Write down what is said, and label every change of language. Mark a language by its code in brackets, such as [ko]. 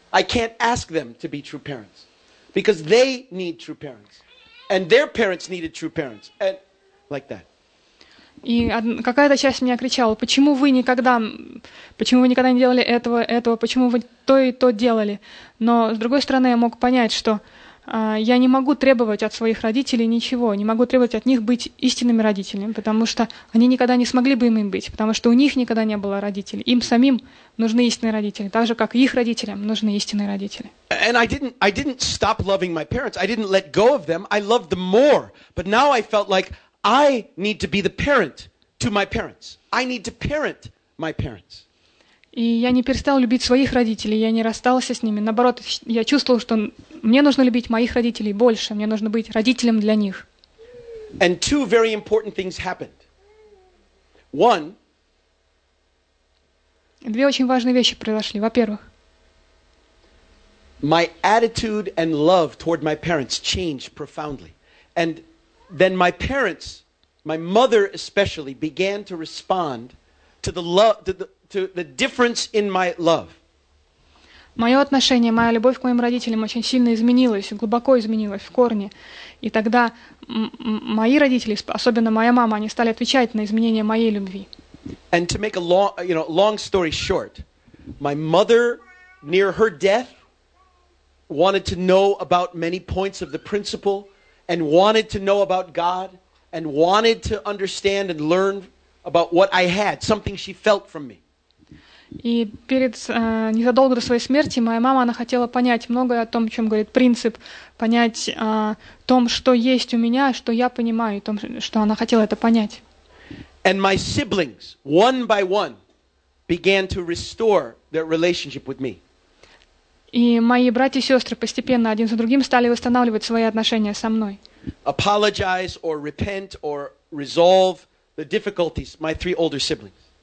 [en] I can't ask them to be true parents because they need true parents and their parents needed true parents and like that. [ru] И какая-то часть меня кричала, почему вы никогда не делали этого, этого, почему вы то и то делали? Но, с другой стороны, я мог понять, что я не могу требовать от своих родителей ничего, не могу требовать от них быть истинными родителями, потому что они никогда не смогли бы им быть, потому что у них никогда не было родителей. Им самим нужны истинные родители, так же, как и их родителям нужны истинные родители. [en] And I didn't stop loving my parents. I didn't let go of them. I loved them more. But now I felt like I need to be the parent to my parents. I need to parent my parents. [ru] И я не перестал любить своих родителей, я не расстался с ними. Наоборот, я чувствовал, что мне нужно любить моих родителей больше, мне нужно быть родителем для них. [en] And two very important things happened. One. [ru] Две очень важные вещи произошли. Во-первых, [en] my attitude and love toward my parents changed profoundly. And then my parents, my mother especially, began to respond to the love, to the difference in my love. [ru] Мое отношение, моя любовь к моим родителям очень сильно изменилась, глубоко изменилась в корне. И тогда мои родители, особенно моя мама, они стали отвечать на изменения моей любви. [en] And to make a long, you know, long story short, my mother, near her death, wanted to know about many points of the principle. And wanted to know about God, and wanted to understand and learn about what I had, something she felt from me. [ru] И перед незадолго до своей смерти моя мама она хотела понять многое о том, о чем говорит принцип, понять том, что есть у меня, что я понимаю, том, что она хотела это понять. [en] And my siblings, one by one, began to restore their relationship with me. [ru] И мои братья и сестры постепенно один за другим стали восстанавливать свои отношения со мной. [en] Apologize or repent or resolve the difficulties, my three older siblings.